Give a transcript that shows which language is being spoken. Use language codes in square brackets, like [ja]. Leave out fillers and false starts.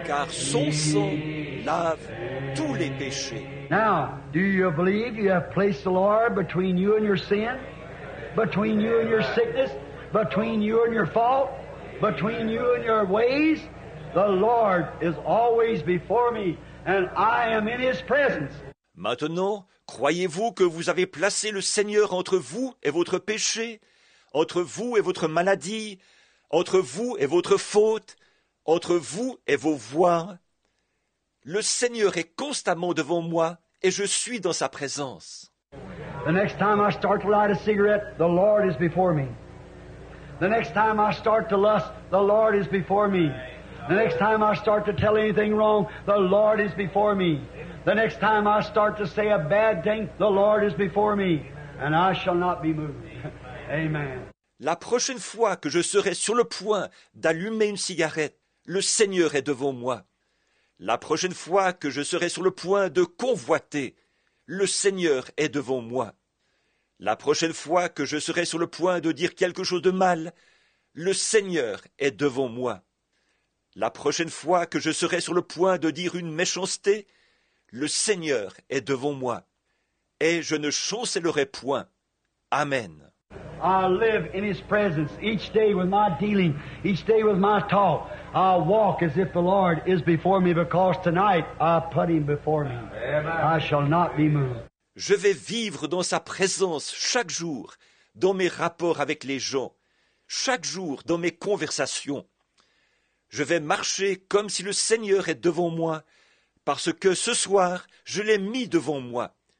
[fr] Son sang lave tous les péchés. [en] Now, do you believe you have placed the Lord between you and your sin? Between you and your sickness? Between you and your fault? Between you and your ways? The Lord is always before me, and I am in His presence. [fr] Maintenant, croyez-vous que vous avez placé le Seigneur entre vous et votre péché, entre vous et votre maladie, entre vous et votre faute? Entre vous et vos voix, le Seigneur est constamment devant moi et je suis dans sa présence. [en] The next time I start to light a cigarette, the Lord is before me. The next time I start to lust, the Lord is before me. The next time I start to tell anything wrong, the Lord is before me. The next time I start to say a bad thing, the Lord is before me. And I shall not be moved. Amen. [fr] La prochaine fois que je serai sur le point d'allumer une cigarette, le Seigneur est devant moi. La prochaine fois que je serai sur le point de convoiter, le Seigneur est devant moi. La prochaine fois que je serai sur le point de dire quelque chose de mal, le Seigneur est devant moi. La prochaine fois que je serai sur le point de dire une méchanceté, le Seigneur est devant moi. Et je ne chancellerai point. Amen. [en] I live in His presence each day with my dealing, each day with my talk. I walk as if the Lord is before me, because tonight I put Him before me. I shall not be moved. [fr] Je vais vivre dans sa présence chaque jour, dans mes rapports avec les gens, chaque jour dans mes conversations. Je vais marcher comme si le Seigneur est devant moi, parce que ce soir, je l'ai mis devant moi.